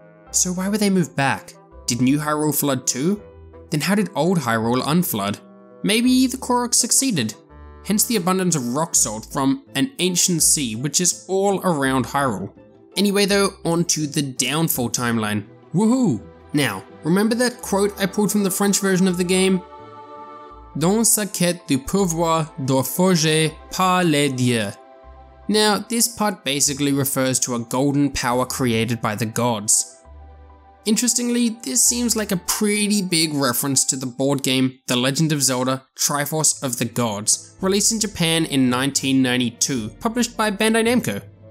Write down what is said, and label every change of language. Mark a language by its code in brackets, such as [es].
[en] So why would they move back? Did New Hyrule flood too? Then how did Old Hyrule unflood? Maybe the Korok succeeded. Hence the abundance of rock salt from an ancient sea which is all around Hyrule. Anyway though, on to the downfall timeline. Woohoo! Now, remember that quote I pulled from the French version of the game? [fr] Dans sa quête du pouvoir de forger par les dieux. [en] Now, this part basically refers to a golden power created by the gods. Interestingly, this seems like a pretty big reference to the board game The Legend of Zelda Triforce of the Gods, released in Japan in 1992, published by Bandai Namco.